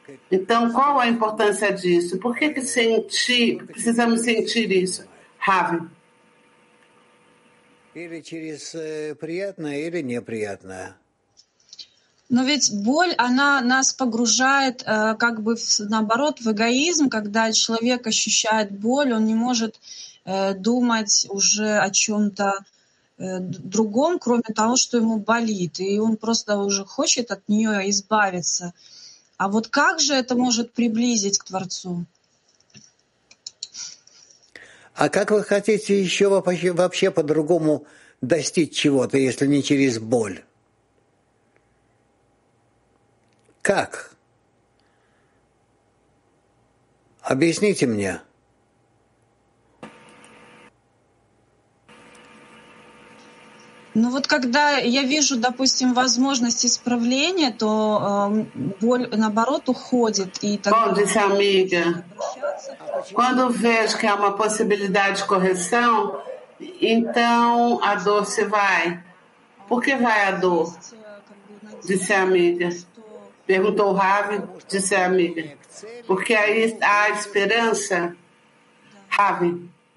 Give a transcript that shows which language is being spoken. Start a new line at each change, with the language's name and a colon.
Portuguese: Então, qual a importância disso? Por que precisamos sentir isso, Ravi?
Russian: Или через приятное, или неприятное. Но ведь боль, она нас погружает как бы наоборот в эгоизм, когда человек ощущает боль, он не может думать уже о чём-то другом, кроме того, что ему болит, и он просто уже хочет от неё избавиться. А вот как же это может приблизить к Творцу? А как вы хотите ещё вообще по-другому достичь чего-то, если не через боль? Как? Объясните мне. Ну вот когда я вижу, допустим, возможность исправления, то боль, наоборот, уходит. И
Portuguese: тогда... Bom, disse a amiga. Quando vejo que há uma possibilidade de correção, então a dor se vai. Por que vai a dor? Disse a amiga. Perguntou o Ravi, disse a amiga. Porque aí há esperança, Ravi.